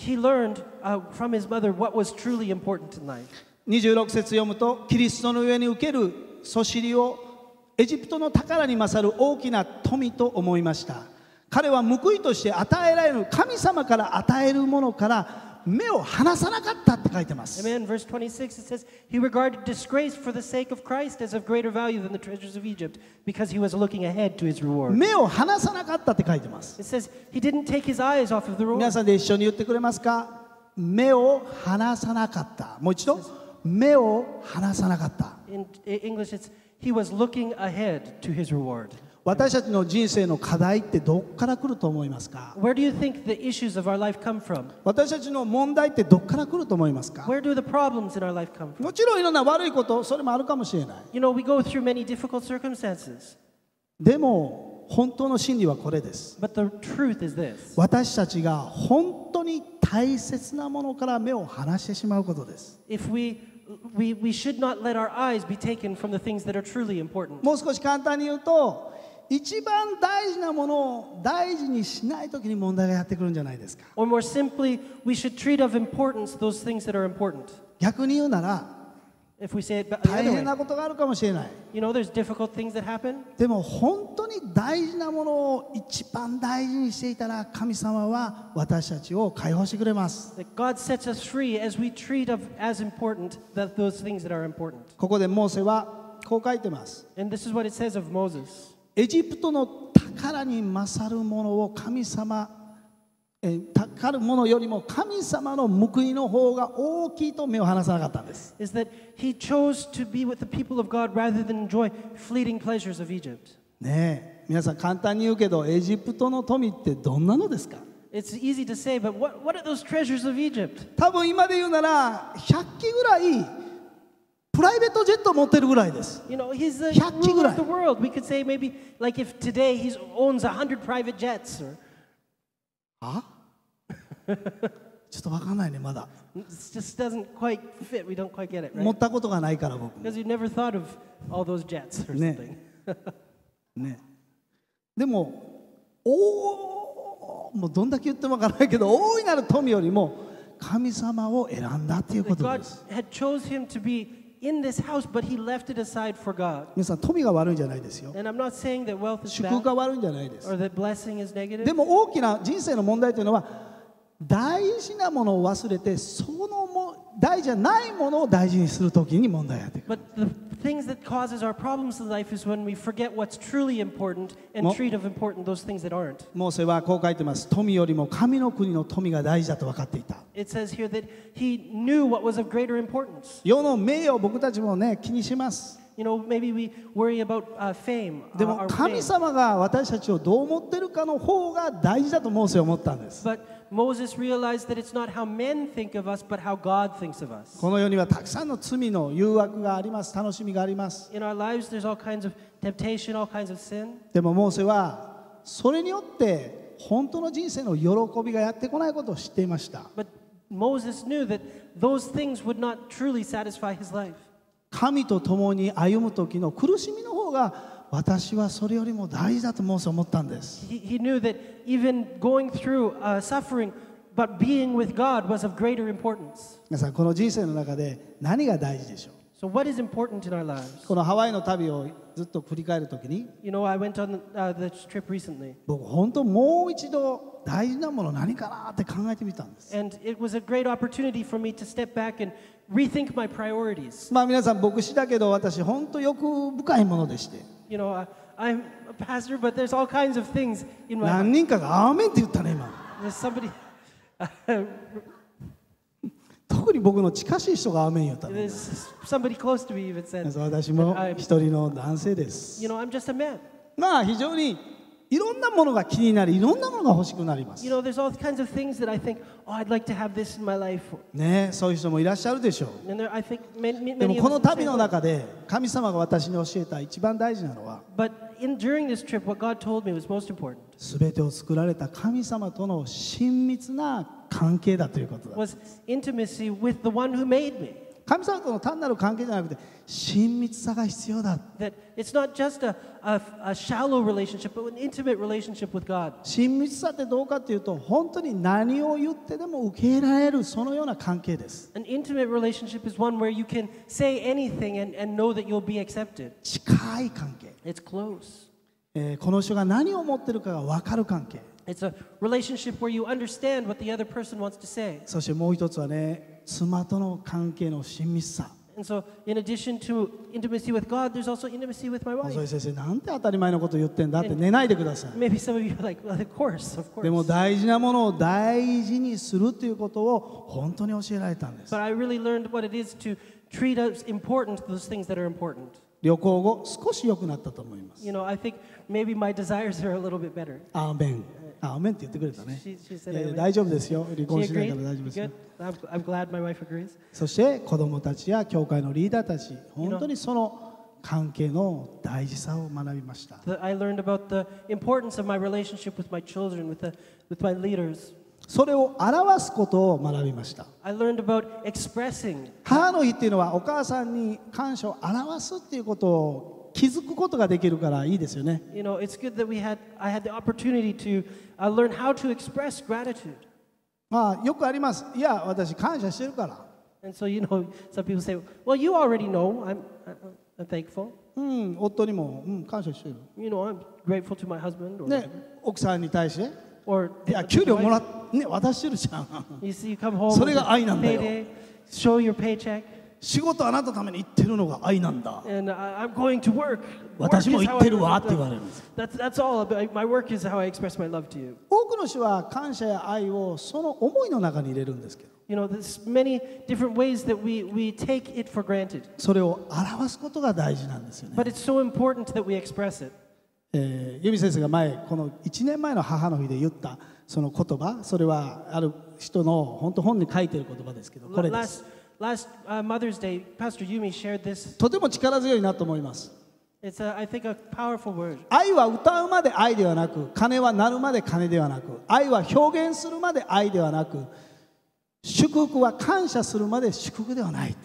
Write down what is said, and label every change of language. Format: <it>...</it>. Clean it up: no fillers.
<en>He learned, from his mother what was truly important in life.</en> <ja>26節読むとキリストの上に受けるそしりをエジプトの宝に勝る大きな富と思いました。彼は報いとして与えられる神様から与えるものから目を離さなかったって書いてます。</ja> <en>Amen. Verse 26, it says, He regarded disgrace for the sake of Christ as of greater value than the treasures of Egypt because he was looking ahead to his reward.</en> <ja>目を離さなかったって書いてます。</ja> <en>It says, He didn't take his eyes off of the reward.</en> <ja>皆さんで一緒に言ってくれますか？目を離さなかった。もう一度。目を離さなかった。</ja> <en>In English, it's, He was looking ahead to his reward.</en> <ja>私たちの人生の課題ってどこから来ると思いますか？</ja> <en>Where do you think the issues of our life come from?</en> <ja>私たちの問題ってどこから来ると思いますか？</ja> <en>Where do the problems in our life come from?</en> <ja>もちろんいろんな悪いこと、それもあるかもしれない。</ja> <en>You know, we go through many difficult circumstances.</en> <ja>でも本当の真理はこれです。</ja> <en>But the truth is this.</en> <ja>私たちが本当に大切なものから目を離してしまうことです。</ja> <en>If we should not let our eyes be taken from the things that are truly important.</en> <ja>もう少し簡単に言うと一番大事なものを大事にしないときに問題がやってくるんじゃないですか。</ja> <en>Or more simply, we should treat of importance those things that are important.</en> <ja>逆に言うなら、</ja> <en>If we say it,</en> <ja>大変なことがあるかもしれない。</ja> <en>You know, there's difficult things that happen.</en> <ja>でも本当に大事なものを一番大事にしていたら、神様は私たちを解放してくれます。</ja> <en>That God sets us free as we treat of as important that those things that are important.</en> <ja>ここでモーセはこう書いてます。</ja> <en>And this is what it says of Moses.</en> <ja>エジプトの宝に勝るものを神様、宝るものよりも神様の報いの方が大きいと目を離さなかったんです。</ja> <en>Is that he chose to be with the people of God rather than enjoy fleeting pleasures of Egypt?</en> <ja>ねえ、皆さん簡単に言うけど、エジプトの富ってどんなのですか？</ja> <en>It's easy to say, but what are those treasures of Egypt?</en> <ja>多分今で言うなら100機ぐらい。プライベートジェット持ってるぐらいです。</ja> <en>You know, he's the ruler of the world. We could say maybe like if today he owns 100 private jets. Or... あ？</en> <ja>ちょっとわかんないねまだ。</ja> <en>It just doesn't quite fit. We don't quite get it. Right?</en> <ja>持ったことがないから僕。</ja> <en>Because you never thought of all those jets or something. ね。ね。</en> <ja>でも、おお、もうどんだけ言ってもわからないけど、大いなる富よりも神様を選んだっていうことです。</ja> <en>God had chose him to be in this house but he left it aside for God.</en> <ja>皆さん富が悪いんじゃないですよ。</ja> <en>And I'm not saying that wealth is bad.</en> <ja>祝福が悪いんじゃないです。</ja> <en>Or that blessing is negative.</en> <ja>でも大きな人生の問題というのは大事なものを忘れてそのも大事じゃないものを大事にするときに問題やってくる。</ja> <en>But the things that causes our problems in life is when we forget what's truly important and treat of important those things that aren't.</en> <ja>モーセはこう書いてます。富よりも神の国の富が大事だと分かっていた。</ja> <en>It says here that he knew what was of greater importance.</en> <ja>世の名誉を僕たちもね気にします。</ja> <en>You know, maybe we worry about fame.</en> <ja>でも神様が私たちをどう思ってるかの方が大事だとモーセは思ったんです。</ja> <en>But Moses realized that it's not how men think of us, but how God thinks of us.</en> <ja>この世にはたくさんの罪の誘惑があります、楽しみがあります。</ja> <en>In our lives, there's all kinds of temptation, all kinds of sin.</en> <ja>でもモーセはそれによって本当の人生の喜びがやってこないことを知っていました。</ja> <en>But Moses knew that those things would not truly satisfy his life.</en> <ja>神と共に歩む時の苦しみの方が私はそれよりも大事だとモーセ思ったんです。</ja> <en>He knew that even going through suffering, but being with God was of greater importance.</en> <ja>皆さんこの人生の中で何が大事でしょう。</ja> <en>So what is important in our lives?</en> <ja>このハワイの旅をずっと振り返るときに、</ja> <en>You know, I went on the trip recently.</en> <ja>僕本当もう一度大事なもの何かなって考えてみたんです。</ja> <en>And it was a great opportunity for me to step back and rethink my priorities.</en> <ja>まあ皆さん牧師だけど私本当欲深いものでして。</ja> <en>You know, I'm a pastor, but there's all kinds of things in my.</en> <ja>何人かがアーメンって言ったね今。</ja> <en>There's somebody. ど</en> <ja>に僕の近しい人がアーメン言った</ja> <en>の。Somebody close to me even said,</en> <ja>私も一人の男性です。</ja> <en>You know, I'm just a man.</en> <ja>まあ非常にいろんなものが気になり、いろんなものが欲しくなります。</ja> <en>You know, there's all kinds of things that I think, oh, I'd like to have this in my life.</en> <ja>ね、そういう人もいらっしゃるでしょう。</ja> <en>And there, I think many, many</en> <ja>でもこの旅の中で神様が私に教えた一番大事なのは、</ja> <en>But in, during this trip, what God told me was most important.</en> <ja>全てを作られた神様との親密な関係だということだ。</ja> <en>Was intimacy with the one who made me.</en> <ja>神様との単なる関係じゃなくて親密さが必要だ。</ja> <en>That it's not just a shallow relationship, but an intimate relationship with God.</en> <ja>親密さってどうかっていうと、本当に何を言ってでも受け入れられるそのような関係です。</ja> <en>An intimate relationship is one where you can say anything and know that you'll be accepted.</en> <ja>近い関係。</ja> <en>It's close.</en> <ja>この人が何を持ってるかが分かる関係。</ja> <en>It's a relationship where you understand what the other person wants to say.</en> <ja>そしてもう一つはね、妻との関係の親密さ。</ja> <en>And so, in addition to intimacy with God, there's also intimacy with my wife.</en> <ja>先生、なんて当たり前のこと言ってんだって寝ないでください。</ja> <en>Maybe some of you are like, well, of course, of course.</en> <ja>でも大事なものを大事にするということを本当に教えられたんです。</ja> <en>But I really learned what it is to treat as important those things that are important.</en> <ja>旅行後、少し良くなったと思います。</ja> <en>You know, I think maybe my desires are a little bit better.</en> <ja>アーメン。アーメンって言ってくれたね。大丈夫ですよ。離婚しないから大丈夫ですよ。</ja> <en>I'm glad my wife agrees.</en> <ja>そして子供たちや教会のリーダーたち、本当にその関係の大事さを学びました。</ja> <en>I learned about the importance of my relationship with my children, with my leaders.</en> <ja>それを表すことを学びました。</ja> <en>I learned about expressing.</en> <ja>母の日っていうのはお母さんに感謝を表すっていうことを気づくことができるからいいですよね。</ja> <en>You know, it's good that we had, I had the opportunity to learn how to express gratitude.</en> <ja>まあ、よくあります。いや、私感謝してるから。</ja> <en>And so, you know, some people say, well, you already know I'm thankful.</en> <ja>うん、夫にも、うん、感謝してる。</ja> <en>You know, I'm grateful to my husband.</en> <ja>ね、奥さんに対して。</ja> <en>Or,</en> <ja>いや、給料もらって、ね、渡してるじゃん。</ja> <en>You see, you come home.</en> <ja>それが愛なんだよ。</ja> <en>Payday, show your paycheck.</en> <ja>仕事あなたために行ってるのが愛なんだ。</ja> <en>And I'm going to work.</en> <ja>私も行ってるわって言われる。</ja> <en>That's all about my work is how I express my love to you.</en> <ja>多くの人は感謝や愛をその思いの中に入れるんですけど。</ja> <en>You know, there's many different ways that we take it for granted.</en> <ja>それを表すことが大事なんですよね。</ja> <en>But it's so important that we express it.</en> <ja>由美先生が前、この1年前の母の日で言ったその言葉、それはある人の本当本に書いてる言葉ですけど、これです。</ja> <en>Last Mother's Day, Pastor Yumi shared this.</en> <ja>とても力強いなと思います。</ja> <en>It's a, I think, a powerful word.</en> <ja>愛は歌うまで愛ではなく、鐘は鳴るまで鐘ではなく、愛は表現するまで愛ではなく、祝福は感謝するまで祝福ではない。</ja>